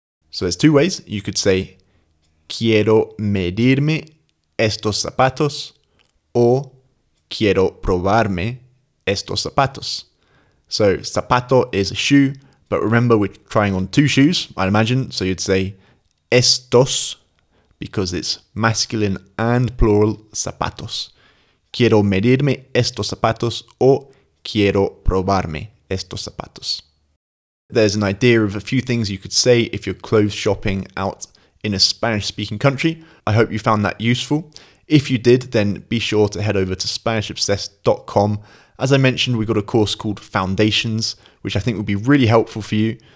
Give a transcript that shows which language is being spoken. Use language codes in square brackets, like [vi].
[en] So there's two ways. You could say, [es] quiero medirme estos zapatos, [en] or [es] quiero probarme estos zapatos. [en] So zapato is a shoe, but remember we're trying on two shoes, I imagine. So you'd say estos, because it's masculine and plural, zapatos. [es] Quiero medirme estos zapatos, o quiero probarme estos zapatos. [en] There's an idea of a few things you could say if you're clothes shopping out in a Spanish-speaking country. I hope you found that useful. If you did, then be sure to head over to SpanishObsessed.com. As I mentioned, we've got a course called Foundations, which I think will be really helpful for you.